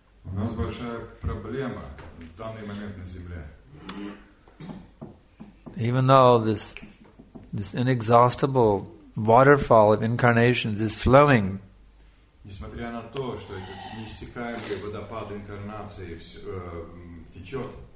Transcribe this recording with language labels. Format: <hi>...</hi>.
<ru>У нас большая проблема в данный момент на земле.</ru> <en>Even though this inexhaustible waterfall of incarnations is flowing.</en> <ru>Несмотря на то, что этот неиссякаемый водопад инкарнации течет.</ru>